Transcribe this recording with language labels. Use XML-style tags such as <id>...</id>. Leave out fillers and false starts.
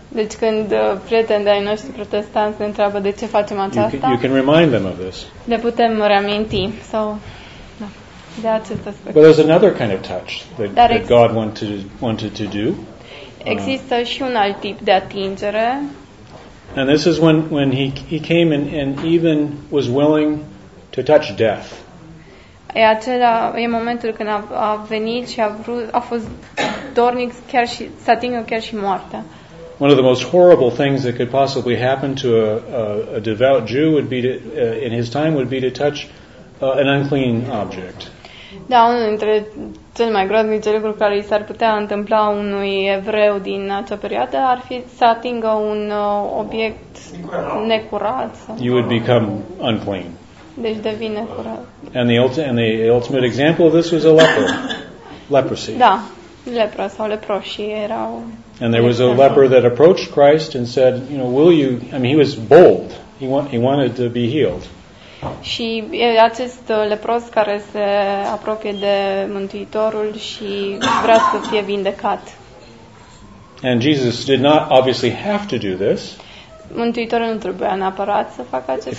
<ro>Deci când prietenii noștri protestanți ne întreabă de ce facem aceasta,</ro> <en>you can remind them of this.</en> <ro>Le putem reaminti sau de acest aspect.</ro> <en>But there's another kind of touch that God wanted to do.</en> <ro>Există și un alt tip de atingere.</ro> <en>And this is when he came and even was willing to touch death.</en> <ro>E acela, e momentul când a venit și a fost dornic chiar și să atingă chiar și moartea.</ro> <en>One of the most horrible things that could possibly happen to a devout Jew would be to touch an unclean object.</en> <ro>Da, unul dintre cele mai groaznice lucruri care i s-ar putea întâmpla unui evreu din acea perioadă ar fi să atingă un obiect necurat.</ro> <en>You would become unclean.</en> <ro>Deci devine necurat.</ro> <en>And the ultimate example of this was a leper. Leprosy.</en> <ro>Da, lepra sau leproșii erau.</ro> <en>And there was a leper that approached Christ and said, you know, will you, I mean, he was bold. He wanted to be healed.</en> <ro>Și acest lepros care se apropie de Mântuitorul și vrea să fie vindecat.</ro> <en>And Jesus did not obviously have to do this.</en> <ro>Mântuitorul nu trebuia neapărat să facă acest lucru.</ro>